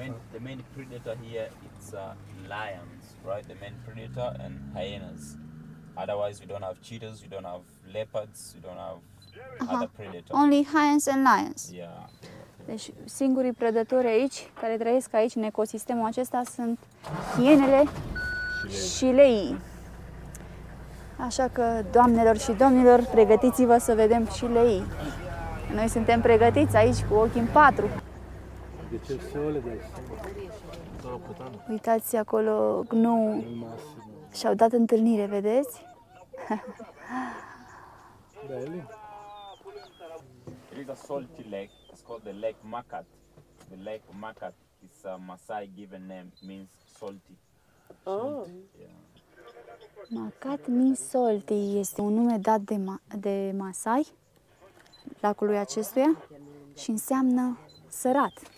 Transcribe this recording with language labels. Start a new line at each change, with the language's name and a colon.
English: The main predator here is lions, right? The main predator and hyenas. Otherwise, we don't have cheetahs, we don't have leopards, we don't have Only hyenas and lions. Yeah.
Romanian: Deci singurii prădători aici care trăiesc aici în ecosistemul acesta sunt hienele și leii. Așa că, doamnelor și domnilor, pregătiți-vă să vedem și leii. Noi suntem pregătiți aici cu ochii în patru. Uitați acolo gnu. Și-au dat întâlnire, vedeți?
English: It is a salty lake. It's called the Lake Makat. The Lake Makat It's a Maasai given name, means salty. Makat means salty.
Romanian: Este un nume dat de Maasai lacului acestuia și înseamnă sărat.